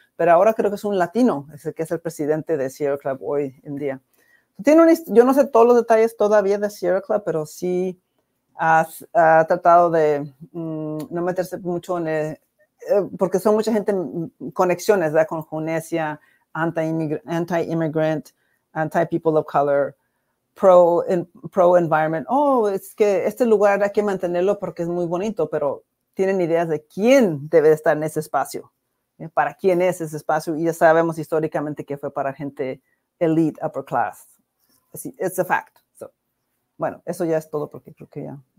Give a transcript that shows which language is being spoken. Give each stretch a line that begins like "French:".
Spanish: Pero ahora creo que es un latino, es el que es el presidente de Sierra Club hoy en día. Yo no sé todos los detalles todavía de Sierra Club, pero sí ha tratado de no meterse mucho en porque son mucha gente, conexiones, ¿verdad?
English: Con Junesia, anti-immigrant, anti-people of color. Pro environment.
Spanish: Oh, es que este lugar hay que mantenerlo porque es muy bonito, pero tienen ideas de quién debe estar en ese espacio, para quién es ese espacio, y ya sabemos históricamente que fue para gente elite,
English: upper class. It's a fact.
Spanish: So, bueno, eso ya es todo porque creo que ya